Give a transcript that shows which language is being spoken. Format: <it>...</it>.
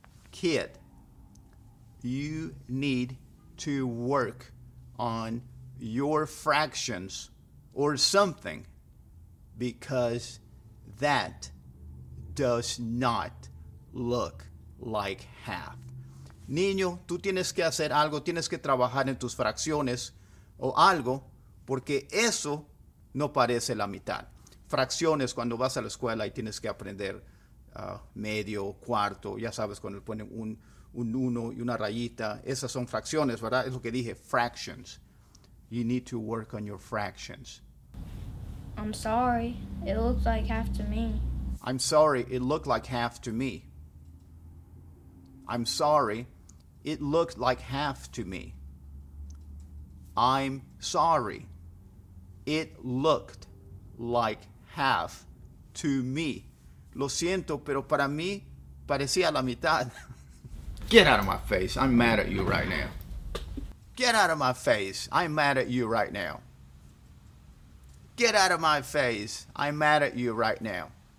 <en>Kid, you need to work on your fractions or something because that does not look like half.</en> <es>Niño, tú tienes que hacer algo, tienes que trabajar en tus fracciones o algo, porque eso no parece la mitad. Fracciones, cuando vas a la escuela y tienes que aprender medio, cuarto, ya sabes, cuando le ponen un uno y una rayita, esas son fracciones, ¿verdad? Es lo que dije,</es> <en>fractions. You need to work on your fractions. I'm sorry, it looks like half to me. I'm sorry, it looked like half to me. I'm sorry, it looked like half to me. I'm sorry, it looked like half to me.</en> <es>Lo siento, pero para mí parecía la mitad.</es> <en>Get out of my face, I'm mad at you right now. Get out of my face, I'm mad at you right now. Get out of my face, I'm mad at you right now.</en>